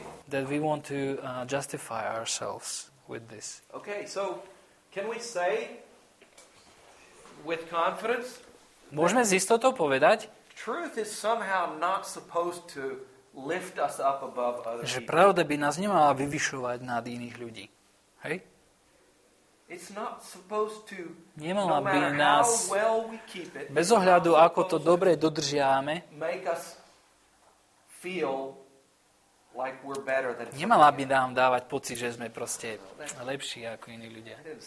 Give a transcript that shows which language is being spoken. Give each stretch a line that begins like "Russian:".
English: That we want to justify ourselves with this. Okay, so can we say with confidence?
Slovak: Môžeme s istotou povedať?
English: Truth is somehow not supposed to lift us up above other people.
Slovak: Že pravda by nás nemala vyvyšovať nad iných ľudí. Hej?
English: It's not supposed to.
Slovak: Nemala no by nás
English: well we keep it,
Slovak: bez ohľadu ako to dobre dodržiavame.
English: Make us feel like we're better than.
Slovak: Nemala by nám dávať pocit, že sme proste lepší ako iní ľudia.